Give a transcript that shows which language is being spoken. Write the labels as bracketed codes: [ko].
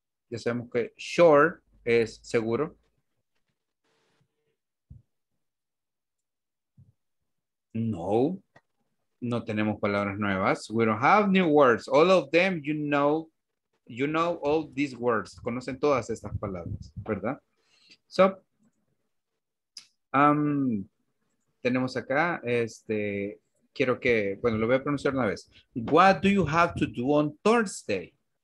[es] Ya sabemos que sure es seguro. No, no tenemos palabras nuevas. [en] We don't have new words. All of them, you know all these words. [es] Conocen todas estas palabras, ¿verdad? So, tenemos acá, quiero que, bueno, lo voy a pronunciar una vez. [en] What do you have to do on Thursday?